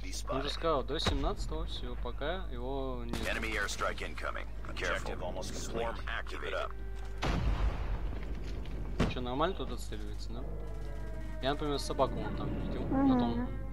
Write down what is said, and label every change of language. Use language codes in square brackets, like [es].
[ru] Он же сказал, до 17-го все, пока его нет. [en] Enemy airstrike incoming. Objective almost swarm activated. [ru] Че, нормально тут отстреливается, да? Я, например, собаку вон там видел.